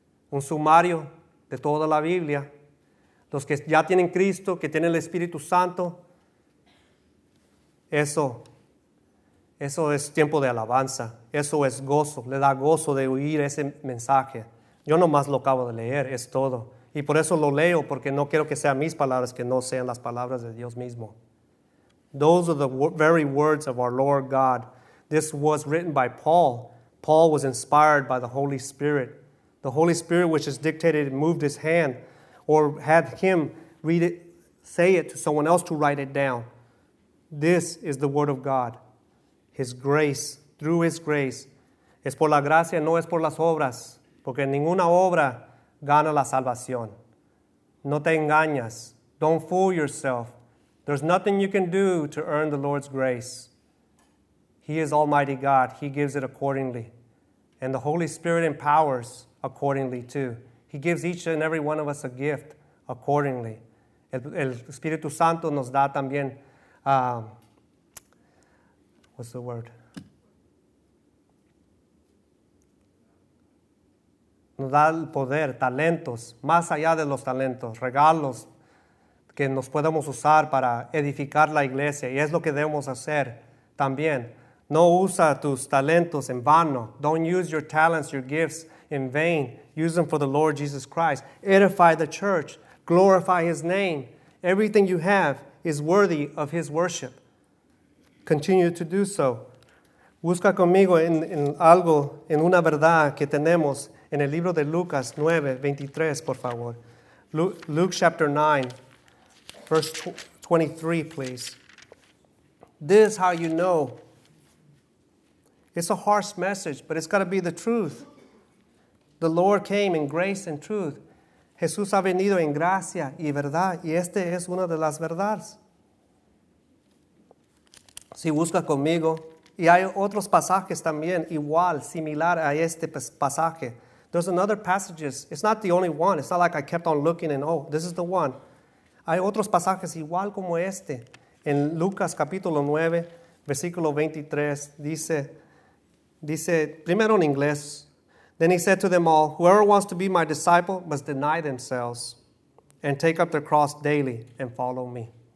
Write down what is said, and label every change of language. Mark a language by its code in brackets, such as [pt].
[es] Un sumario de toda la Biblia. Los que ya tienen Cristo, que tienen el Espíritu Santo, eso es tiempo de alabanza. Eso es gozo. Le da gozo de oír ese mensaje. Yo nomás lo acabo de leer, es todo. Y por eso lo leo, porque no quiero que sean mis palabras, que no sean las palabras de Dios mismo. [en] Those are the very words of our Lord God. This was written by Paul. Paul was inspired by the Holy Spirit. The Holy Spirit, which is dictated and moved his hand, or had him read it, say it to someone else to write it down. This is the word of God. His grace, through his grace. [es] Es por la gracia, no es por las obras. Porque ninguna obra gana la salvación. No te engañas. [en] Don't fool yourself. There's nothing you can do to earn the Lord's grace. He is Almighty God. He gives it accordingly. And the Holy Spirit empowers accordingly too. He gives each and every one of us a gift accordingly. [es] El Espíritu Santo nos da también, [en] what's the word? [es] Nos da el poder, talentos, más allá de los talentos, regalos que nos podemos usar para edificar la iglesia. Y es lo que debemos hacer también. No usa tus talentos en vano. [en] Don't use your talents, your gifts in vain. Use them for the Lord Jesus Christ. Edify the church. Glorify his name. Everything you have is worthy of his worship. Continue to do so. [es] Busca conmigo en algo, en una verdad que tenemos en el libro de Lucas 9, 23, por favor. [en] Luke chapter 9, verse 23, please. This is how you know. It's a harsh message, but it's got to be the truth. The Lord came in grace and truth. [es] Jesús ha venido en gracia y verdad, y esta es una de las verdades. Si busca conmigo, y hay otros pasajes también, igual, similar a este pasaje. [en] There's another passages. It's not the only one. It's not like I kept on looking and, oh, this is the one. [es] Hay otros pasajes igual como este. En Lucas capítulo 9, versículo 23, dice primero en inglés. [en] Then he said to them all, whoever wants to be my disciple must deny themselves and take up their cross daily and follow me.